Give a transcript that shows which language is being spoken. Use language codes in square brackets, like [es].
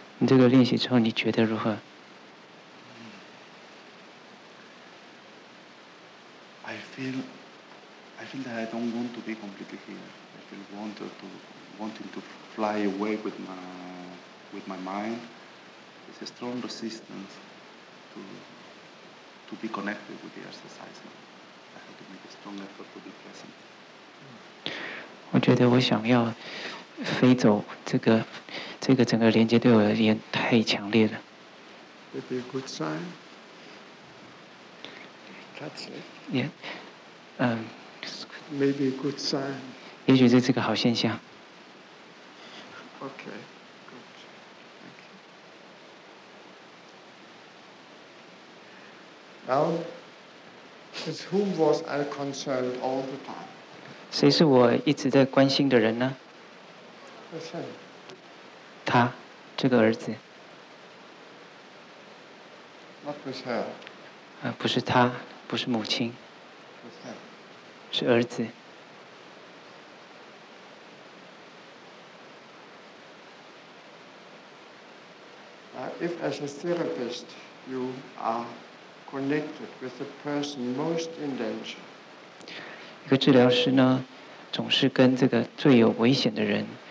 [zh] 你这个练习之后你觉得如何？ [en] I feel that I don't want to be completely here. I feel wanting to fly away with my mind. It's a strong resistance to be connected with the exercise. I have to make a strong effort to be present. [zh] 我觉得我想要 飞走，这个整个连接对我而言太强烈了。 [en] It'd be a good sign. That's it. Yeah. Maybe a good sign. [zh] 也许这是个好现象。 [en] Okay. Good. Thank you. Now, with whom was I concerned all the time? [zh] 谁是我一直在关心的人呢？他，这个儿子。 [en] Not with her. [zh] 不是他，不是母亲。 [en] With her. [zh] 是儿子。 [en] If as a therapist you are connected with the person most in danger. [zh] 一个治疗师呢，总是跟这个最有危险的人。